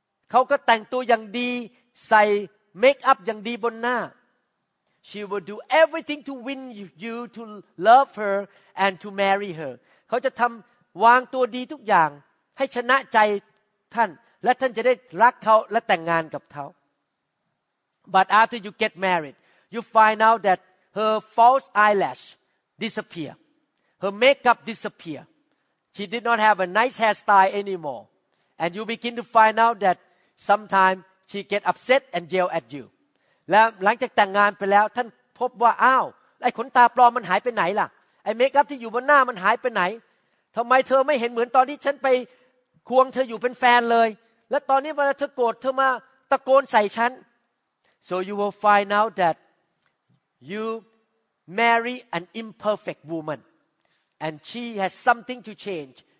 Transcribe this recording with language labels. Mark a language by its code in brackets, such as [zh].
[th] เขาก็แต่งตัวอย่างดีใส่เมคอัพอย่างดีบนหน้า [en] She would do everything to win you to love her and to marry her [th] เขาจะทำวางตัวดีทุกอย่างให้ชนะใจท่านและท่านจะได้รักเขาและแต่งงานกับเขา [en] But after you get married you find out that her false eyelash disappear her makeup disappearShe did not have a nice hairstyle anymore. And you begin to find out that sometimes she gets upset and yell at you. [th] แล้วหลังจากแต่งงานไปแล้วท่านพบว่าอ้าวไอ้ขนตาปลอมมันหายไปไหนล่ะไอ้เมคอัพที่อยู่บนหน้ามันหายไปไหนทำไมเธอไม่เห็นเหมือนตอนที่ฉันไปควงเธออยู่เป็นแฟนเลยและตอนนี้เวลาเธอโกรธเธอมาตะโกนใส่ฉัน [en] So you will find out that you marry an imperfect womanAnd she has something to change.